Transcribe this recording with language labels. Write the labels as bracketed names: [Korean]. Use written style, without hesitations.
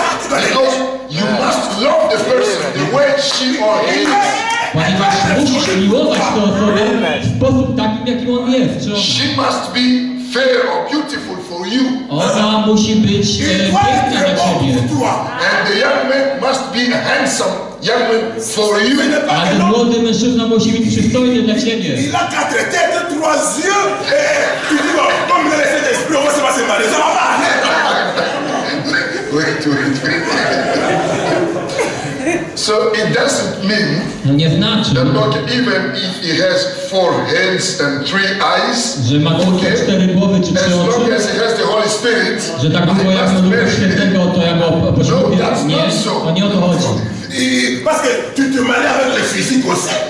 [English] Because you must love the person the way she or he is. [Polish] Ponieważ musisz miłować tę osobę w sposób takim, jakim on jest. [English] She must be fair or beautiful for you. [Polish] Ona musi być piękna dla ciebie. [English] And the young man must be handsome young man for you. [Polish] Ale młody mężczyzna musi być przystojny dla ciebie. [French] Il a quatre têtes, trois yeux. Tu dis bon, comme le reste d'esprit, on va se passer mal. Ça va. [English] Wait. So it doesn't mean [Polish] nie znaczy, [English] that not even if he has four hands and three eyes, [Polish] że ma okay, cztery głowy czy trzy oczy, [English] as long as he has the Holy Spirit, [Polish] że tak długo jak ma Ducha Świętego, to ja go poślubię. Nie, to nie o to chodzi. [French] I, parce que tu te maries avec le physique aussi.